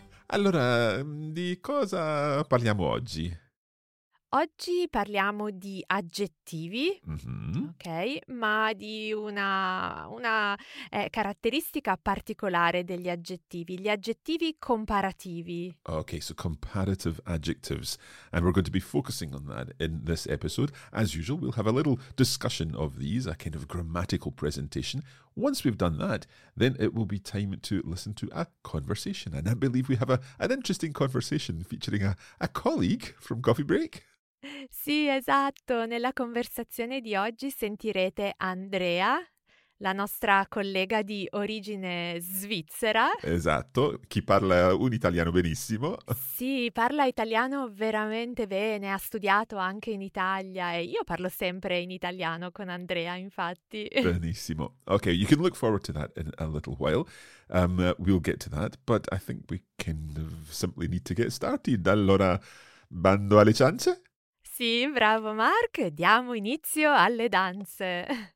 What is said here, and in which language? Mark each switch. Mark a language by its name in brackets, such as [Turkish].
[Italian] Allora, di cosa parliamo oggi? Oggi parliamo di aggettivi, ok, ma di una caratteristica particolare degli aggettivi, gli aggettivi comparativi. [English] Ok, so comparative adjectives, and we're going to be focusing on that in this episode. As usual, we'll have a little discussion of these, a kind of grammatical presentation. Once we've done that, then it will be time to listen to a conversation, and I believe we have an interesting conversation featuring a colleague from Coffee Break. [Italian] Sì, esatto. Nella conversazione di oggi sentirete Andrea, la nostra collega di origine svizzera. Esatto, chi parla un italiano benissimo. Sì, parla italiano veramente bene, ha studiato anche in Italia e io parlo sempre in italiano con Andrea, infatti. Benissimo. [English] Ok, you can look forward to that in a little while. We'll get to that, but I think we kind of simply need to get started. [Italian] Allora, bando alle ciance. Sì, bravo Mark, diamo inizio alle danze.